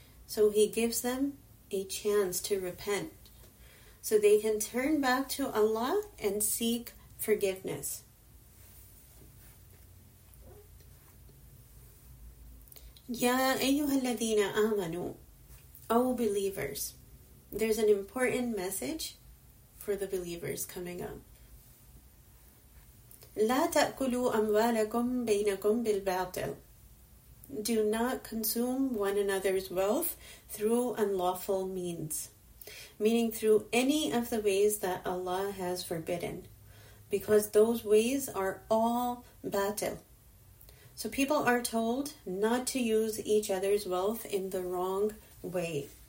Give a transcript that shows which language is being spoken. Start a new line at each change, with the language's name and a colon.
English: So He gives them a chance to repent, so they can turn back to Allah and seek forgiveness.
Arabic: يَا أَيُّهَا الَّذِينَ آمَنُوا.
English: Oh believers, there's an important message for the believers coming up.
Arabic: لا تأكلوا أموالكم بينكم بالباطل.
English: Do not consume one another's wealth through unlawful means, meaning through any of the ways that Allah has forbidden, because those ways are all batil. So people are told not to use each other's wealth in the wrong way.